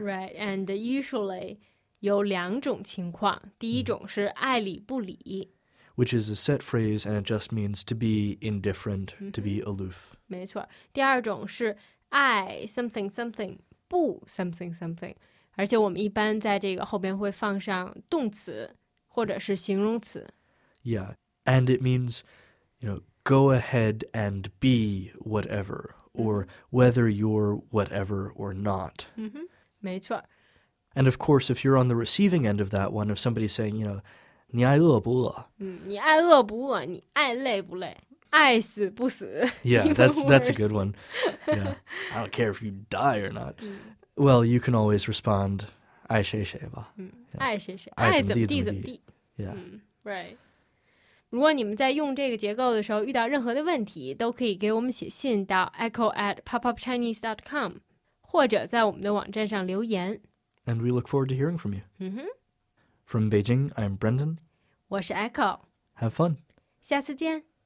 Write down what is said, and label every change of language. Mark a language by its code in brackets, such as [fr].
[en] Right, and usually, 有两种情况。 [zh] 第一种是爱理不理。 [en] Which is a set phrase, and it just means to be indifferent, to be aloof. [zh] 没错。第二种是爱 [en] something something, [zh] 不 something something。而且我们一般在这个后边会放上动词或者是形容词。 [en] Yeah. And it means, you know, go ahead and be whatever, or whether you're whatever or not. [zh] Mm-hmm. 没错。 [en] And of course, if you're on the receiving end of that one, if somebody's saying, you know, [zh] 你爱饿不饿？你爱饿不饿？你爱累不累？爱死不死？ [en] Yeah, that's a good one. Yeah. I don't care if you die or not. Well, you can always respond, [zh] 爱谁谁吧。爱谁谁。爱怎么地怎么地。 [en] Yeah. Right. [zh] 如果你们在用这个结构的时候遇到任何的问题，都可以给我们写信到 echo@popupchinese.com 或者在我们的网站上留言。 [en] And we look forward to hearing from you. Mm-hmm. From Beijing, I'm Brendan. [zh] 我是 Echo. [en] Have fun. [zh] 下次见。